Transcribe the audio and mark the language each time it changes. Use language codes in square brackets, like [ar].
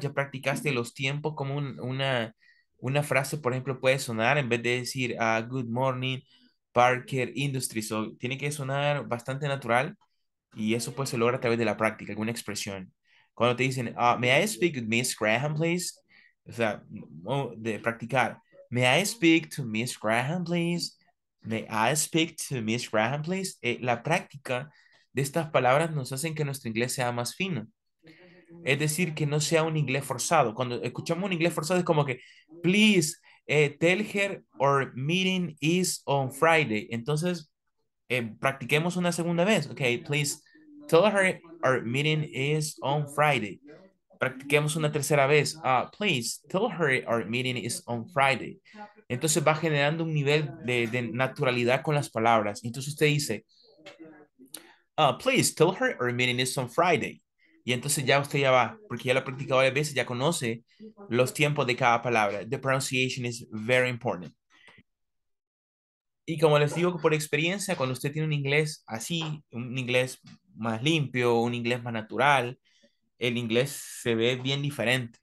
[es] Ya practicaste los tiempos, cómo una frase, por ejemplo, puede sonar en vez de decir [en] good morning, Parker Industries. [es] So, tiene que sonar bastante natural. Y eso pues se logra a través de la práctica, alguna expresión. Cuando te dicen, [en] may I speak with Miss Graham, please? [es] O sea, de practicar. [en] May I speak to Miss Graham, please? May I speak to Miss Graham, please? [es] La práctica de estas palabras nos hacen que nuestro inglés sea más fino. Es decir, que no sea un inglés forzado. Cuando escuchamos un inglés forzado es como que, [en] please, tell her our meeting is on Friday. [es] Entonces, practiquemos una segunda vez. [en] Okay, please tell her our meeting is on Friday. [es] Practiquemos una tercera vez. [en] Please tell her our meeting is on Friday. [es] Entonces va generando un nivel de naturalidad con las palabras. Entonces usted dice, [en] please tell her our meeting is on Friday. [es] Y entonces ya usted ya va, porque ya lo ha practicado varias veces, ya conoce los tiempos de cada palabra. [en] The pronunciation is very important. [es] Y como les digo, por experiencia, cuando usted tiene un inglés así, un inglés más limpio, un inglés más natural, el inglés se ve bien diferente.